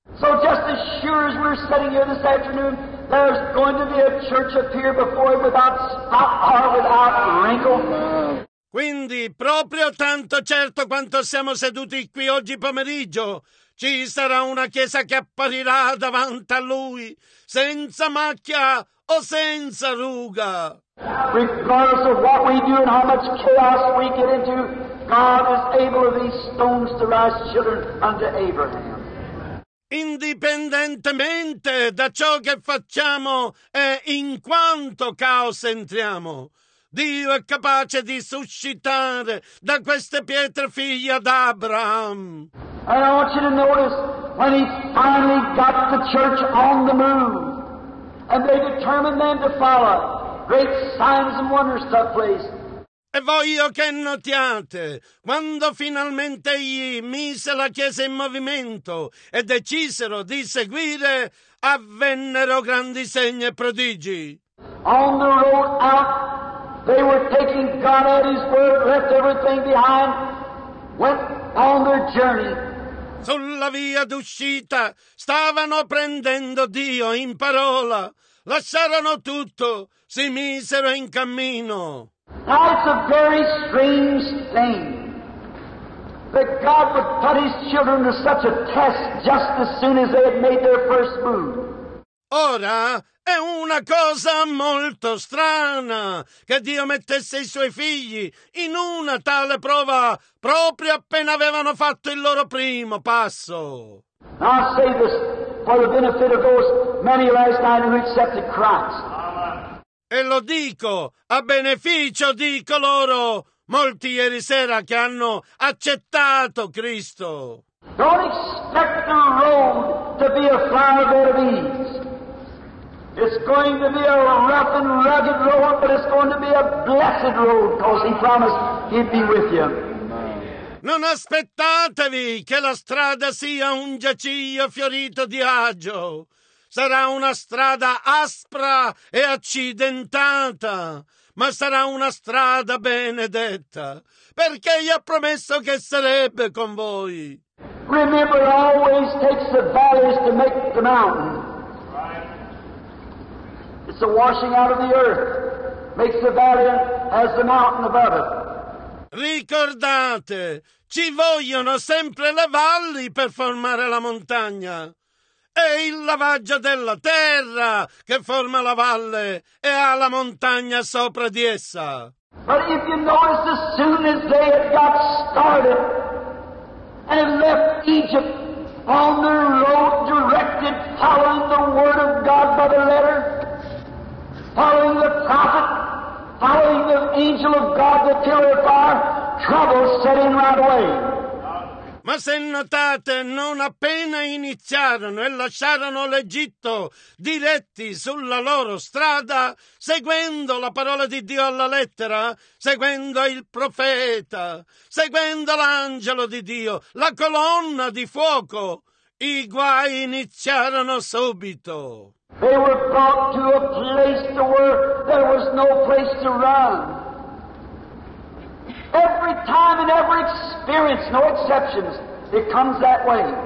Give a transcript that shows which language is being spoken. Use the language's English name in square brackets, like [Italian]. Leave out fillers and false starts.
[English] So just as sure as we're sitting here this afternoon, there's going to be a church appear before him without spot or without wrinkle. [Italian] Quindi, proprio tanto certo quanto siamo seduti qui oggi pomeriggio, ci sarà una chiesa che apparirà davanti a lui, senza macchia o senza ruga. [English] Regardless of what we do and how much chaos we get into, God is able of these stones to rise children unto Abraham. [Italian] Indipendentemente da ciò che facciamo e in quanto caos entriamo, Dio è capace di suscitare da queste pietre figlia d'Abraham. [English] And I want you to notice when he finally got the church on the move and they determined them to follow, great signs and wonders took place. [Italian] E voglio che notiate, quando finalmente egli mise la Chiesa in movimento e decisero di seguire, avvennero grandi segni e prodigi. [English] On the road out, they were taking God at his word, left everything behind, went on their journey. [Italian] Sulla via d'uscita stavano prendendo Dio in parola, lasciarono tutto, si misero in cammino. [English] Now it's a very strange thing that God would put his children to such a test just as soon as they had made their first move. [Italian] Ora è una cosa molto strana che Dio mettesse i suoi figli in una tale prova proprio appena avevano fatto il loro primo passo. [English] Now I say this for the benefit of those many last night who accepted Christ. [Italian] E lo dico a beneficio di coloro, molti ieri sera, che hanno accettato Cristo. [English] Don't expect the road to be a flower bed of ease. It's going to be a rough and rugged road, but it's going to be a blessed road, because he promised he'd be with you. [Italian] Non aspettatevi che la strada sia un giaciglio fiorito di agio. Sarà una strada aspra e accidentata, ma sarà una strada benedetta, perché gli ha promesso che sarebbe con voi. [English] Remember, it always takes the valleys to make the mountain. It's a washing out of the earth, makes the valley as the mountain above it. [Italian] Ricordate, ci vogliono sempre le valli per formare la montagna. È il lavaggio della terra che forma la valle e ha la montagna sopra di essa. [English] But if you notice, as soon as they had got started and left Egypt on their road directed, following the word of God by the letter, following the prophet, following the angel of God, the pillar of fire, trouble set in right away. [Italian] Ma se notate, non appena iniziarono e lasciarono l'Egitto diretti sulla loro strada, seguendo la parola di Dio alla lettera, seguendo il profeta, seguendo l'angelo di Dio, la colonna di fuoco, i guai iniziarono subito. [English] They were brought to a place to where there was no place to run. Every time and every experience, no exceptions, it comes that way.